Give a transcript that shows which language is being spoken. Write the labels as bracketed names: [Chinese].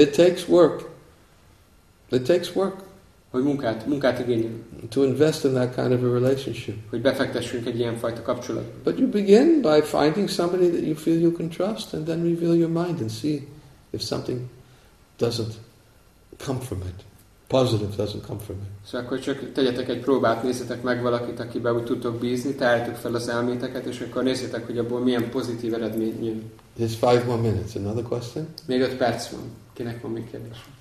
[English] It takes work. It takes work. [Hungarian] Hogy munkát igényel. [English] To invest in that kind of a relationship. [Hungarian] Hogy befektessünk egy ilyen fajta kapcsolatba. [English] But you begin by finding somebody that you feel you can trust, and then reveal your mind and see if something doesn't come from it. Positive doesn't come from it. [Hungarian] Szóval akkor csak tegyetek egy próbát, nézzetek meg valakit, akiben úgy tudtok bízni, tárjátok fel az elméteket, és akkor nézzetek, hogy abból milyen pozitív eredmény jön. [English] There's five more minutes. Another question? [Hungarian] Még 5 perc van. Kinek van még kérdés?